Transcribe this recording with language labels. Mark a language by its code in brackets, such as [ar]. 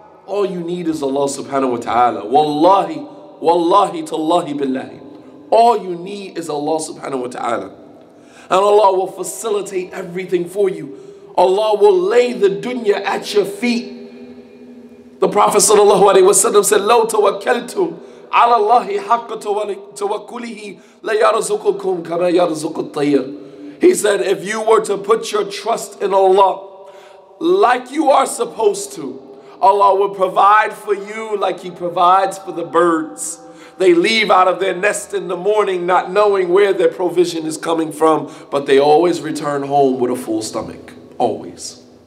[en] All you need is Allah subhanahu wa ta'ala. Wallahi. Wallahi tallahi billahi. All you need is Allah subhanahu wa ta'ala. And Allah will facilitate everything for you. Allah will lay the dunya at your feet. The Prophet sallallahu alayhi wa sallam said, [ar] لو توكلتم على الله حق توكله ليرزقكم كما يرزق الطير. [en] He said, if you were to put your trust in Allah like you are supposed to, Allah will provide for you like he provides for the birds. They leave out of their nest in the morning not knowing where their provision is coming from, but they always return home with a full stomach. Always.